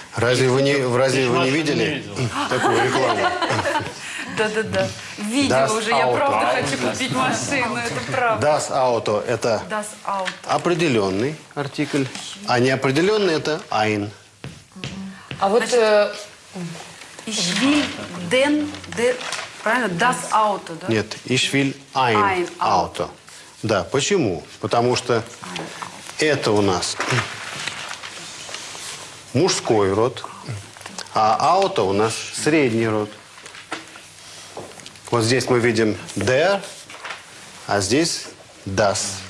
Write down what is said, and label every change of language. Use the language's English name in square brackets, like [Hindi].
[Russian] Разве вы не видели такую рекламу? Да-да-да. Видео уже. Я правда хочу купить машину. Это правда. [German] Das Auto. [Russian] Это определенный артикль. А неопределенный это ein. А вот... [German] Ich will den, das Auto, да? Нет, ich will ein Auto. [Russian] Да, почему? Потому что это у нас мужской род, а Auto у нас средний род. Вот здесь мы видим der, а здесь das.